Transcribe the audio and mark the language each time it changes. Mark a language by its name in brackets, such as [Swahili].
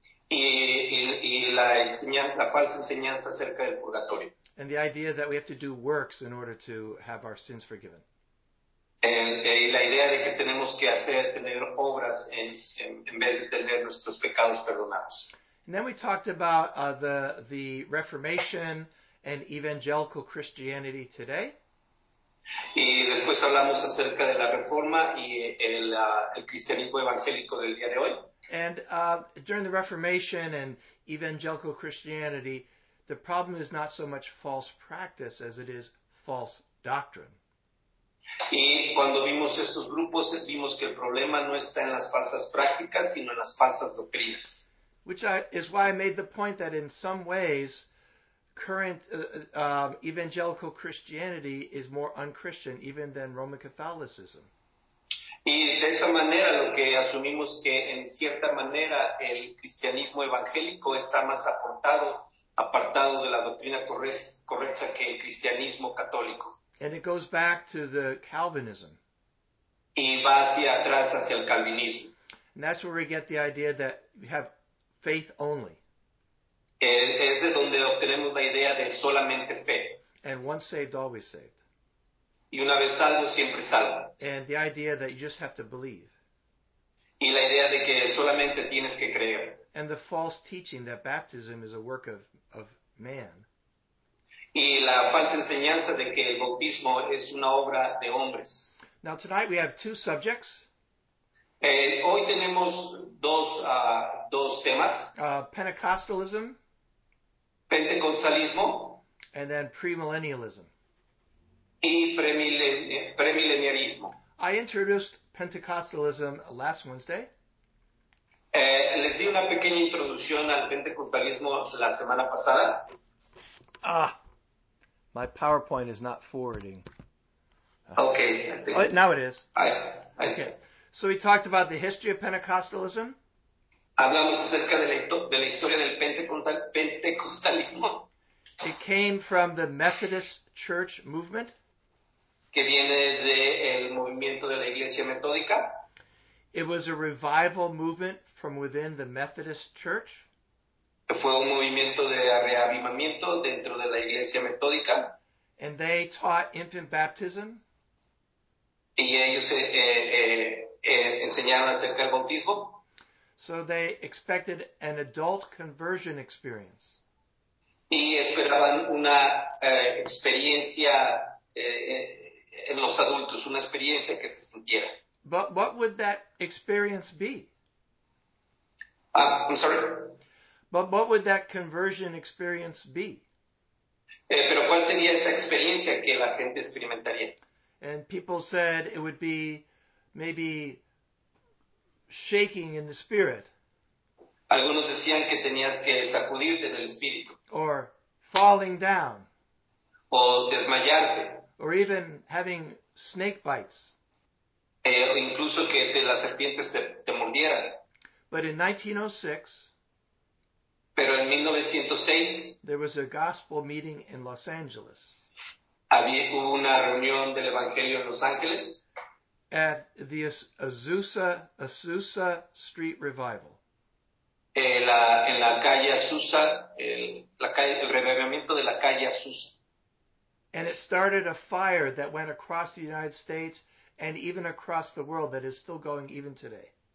[Spanish] Y la enseñanza, la falsa enseñanza acerca del purgatorio. [English] And the idea that we have to do works in order to have our sins forgiven. [Spanish] Y la idea de que tenemos que hacer, tener obras en vez de tener nuestros pecados perdonados. [English] And then we talked about the Reformation and evangelical Christianity today. [Spanish] Y después hablamos acerca de la Reforma y el cristianismo evangélico del día de hoy. [English] And during the Reformation and evangelical Christianity, the problem is not so much false practice as it is false doctrine. [Spanish] Y cuando vimos estos grupos, vimos que el problema no está en las falsas prácticas, sino en las falsas doctrinas. [English] Which is why I made the point that in some ways, current evangelical Christianity is more unchristian even than Roman Catholicism. [Spanish] Y de esa manera lo que asumimos que en cierta manera el cristianismo evangélico está más apartado de la doctrina correcta que el cristianismo católico. [English] And it goes back to the Calvinism. [Spanish] Y va hacia atrás, hacia el Calvinismo. [English] And that's where we get the idea that you have faith only. [Spanish] Es de donde obtenemos la idea de solamente fe. [English] And once saved, always saved. [Spanish] Y una vez salvo, siempre salvo. [English] And the idea that you just have to believe. [Spanish] Y la idea de que solamente tienes que creer. [English] And the false teaching that baptism is a work of man. [Spanish] Y la falsa enseñanza de que el bautismo es una obra de hombres. [English] Now tonight we have two subjects. [Spanish] Hoy tenemos dos temas. [English] Pentecostalism. [Spanish] Pentecostalismo. [English] And then premillennialism. [Spanish] Y premilenialismo. [English] I introduced Pentecostalism last Wednesday. [Spanish] Les di una pequeña introducción al pentecostalismo la semana pasada. [English] Ah, my PowerPoint is not forwarding. Okay. Now it is. I see. Okay. So we talked about the history of Pentecostalism. [Spanish] Hablamos acerca de la historia del pentecostalismo. [English] It came from the Methodist Church movement. [Spanish] Que viene del movimiento de la Iglesia Metódica. [English] It was a revival movement from within the Methodist Church. [Spanish] Fue un movimiento de reavivamiento dentro de la Iglesia Metódica. [English] And they taught infant baptism. [Spanish] Y ellos enseñaron acerca del bautismo. [English] So they expected an adult conversion experience. [Spanish] Y esperaban una experiencia en los adultos, una experiencia que se sintiera. [English] But what would that experience be? I'm sorry? But what would that conversion experience be? [Spanish] Pero ¿cuál sería esa experiencia que la gente experimentaría? [English] And people said it would be maybe shaking in the spirit. [Spanish] Algunos decían que tenías que sacudirte en el espíritu. [English] Or falling down. [Spanish] O desmayarte. [English] Or even having snake bites. [Spanish] Incluso que las serpientes te mordieran. [English] But in 1906, [Spanish] pero en 1906, [English] there was a gospel meeting in Los Angeles. [Spanish] Hubo una reunión del Evangelio en Los Ángeles. [English] At the Azusa Street Revival. [Spanish] En la calle Azusa, el revivamiento de la calle Azusa. [English] And it started a fire that went across the United States and even across the world that is still going even today.